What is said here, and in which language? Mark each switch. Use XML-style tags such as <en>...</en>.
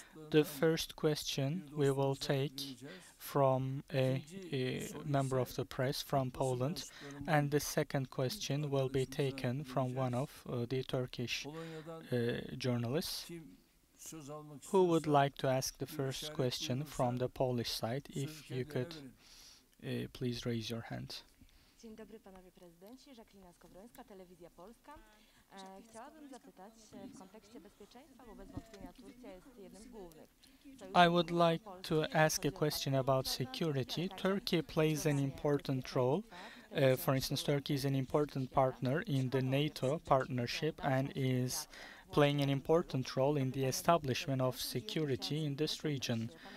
<en>The first question we will take from a member of the press from Poland, and the second question will be taken from one of the Turkish journalists. Who would like to ask the first question from the Polish side? If you could please raise your hand.</en> <pl>Dzień dobry, panowie prezydenci. Żaklina Skowrońska, Telewizja Polska. Chciałabym zapytać w kontekście bezpieczeństwa, bo bez wątpienia Turcja jest jednym z głównych.</pl> <en>I would like to ask a question about security. Turkey plays an important role. For instance, Turkey is an important partner in the NATO partnership and is playing an important role in the establishment of security in this region.</en>